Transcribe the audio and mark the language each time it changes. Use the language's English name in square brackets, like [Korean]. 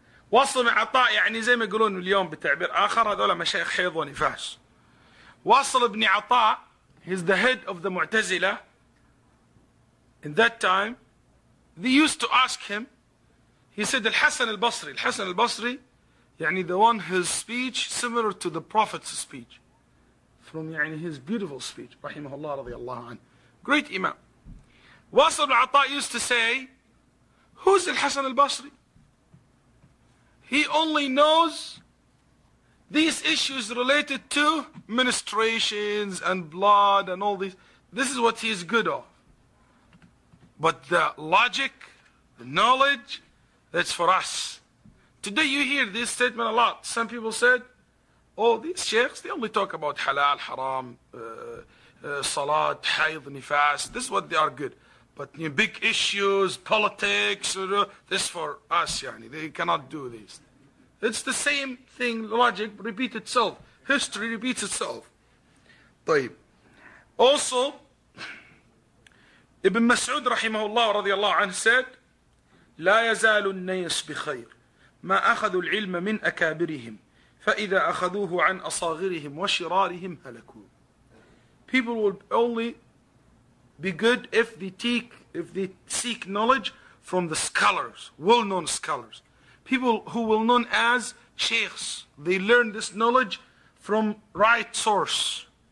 [Arabic] واصل بن عطاء يعني زي ما يقولون اليوم بتعبير آخر هذولا مشايخ حيض ونفاس. [English] واصل بن عطاء he's the head of the معتزلة. In that time they used to ask him. He said الحسن البصري يعني the one whose speech similar to the prophet's speech from يعني his beautiful speech [Arabic] رحمه الله رضي الله عنه. [English] Great imam. واصل بن عطاء used to say who's الحسن البصري. He only knows these issues related to menstruations and blood and all these. This is what he is good of. But the logic, the knowledge, that's for us. Today you hear this statement a lot. Some people said, oh, these sheikhs, they only talk about halal, haram, salat, hayd, nifas. This is what they are good. But you know, big issues, politics, this is for us. Yani. They cannot do this. It's the same thing, logic repeats itself. History repeats itself. طيب. Also, Ibn Mas'ud [Arabic] رحمه الله رضي الله عنه [English] said, [Arabic] لا يزال النيس بخير ما أخذوا العلم من أكابرهم فَإِذَا أَخَذُوهُ عَنْ أَصَاغِرِهِمْ وَشِرَارِهِمْ هَلَكُوا. [English] People will only be good if they seek knowledge from the scholars, well-known scholars. People who will known as sheikhs, they learn this knowledge from right source.